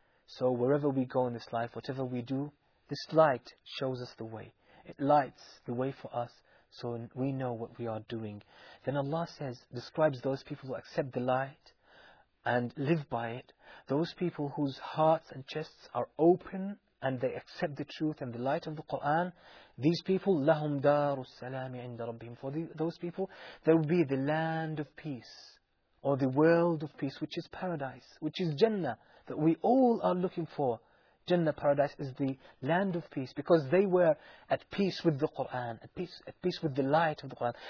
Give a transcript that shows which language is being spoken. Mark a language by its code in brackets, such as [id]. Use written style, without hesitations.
[en] So wherever we go in this life, whatever we do, this light shows us the way. It lights the way for us, so we know what we are doing. Then Allah says, describes those people who accept the light and live by it. Those people whose hearts and chests are open and they accept the truth and the light of the Quran. These people, [ar] لَهُمْ دَارُ السَّلَامِ عِنْدَ رَبِّهِمْ. [en] For those people, there will be the land of peace, or the world of peace, which is paradise, which is Jannah, that we all are looking for. Jannah, paradise, is the land of peace, because they were at peace with the Qur'an, at peace with the light of the Qur'an.